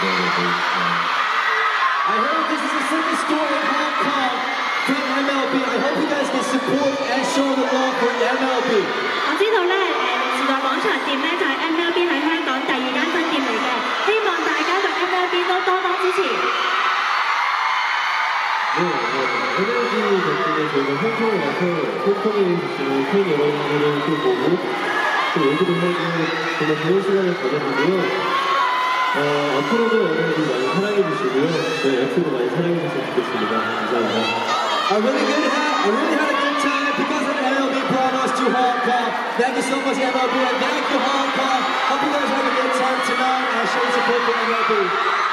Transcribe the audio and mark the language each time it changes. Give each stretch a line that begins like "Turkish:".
English: I hope you guys can support and show the love for MLB.
Korean: 앞으로도 여러분들 많이 사랑해주시고요. 네, 앞으로도 많이 사랑해주셨으면 좋겠습니다. 감사합니다.
English: I really had a good time because of MLB brought us to Hong Kong. Thank you so much, MLB, and thank you, Hong Kong. Hope you guys have a good time tonight and show support for MLB.